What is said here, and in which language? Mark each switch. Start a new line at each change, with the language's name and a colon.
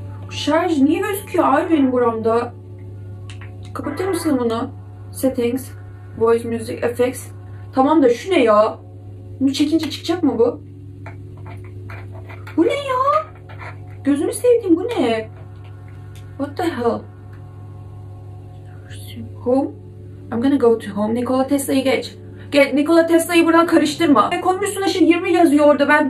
Turkish: Şarj niye gözüküyor abi benim buramda? Kapatır mısın bunu?
English: Settings, voice, music, effects.
Turkish: Tamam da şu ne ya? Bunu çekince çıkacak mı bu? Bu ne ya? Gözünü sevdiğim bu ne?
English: What the hell? Home? I'm gonna go to home.
Turkish: Nikola Tesla'yı geç. Gel, Nikola Tesla'yı buradan karıştırma. Konmuşsun aşırı 20 yazıyor orada.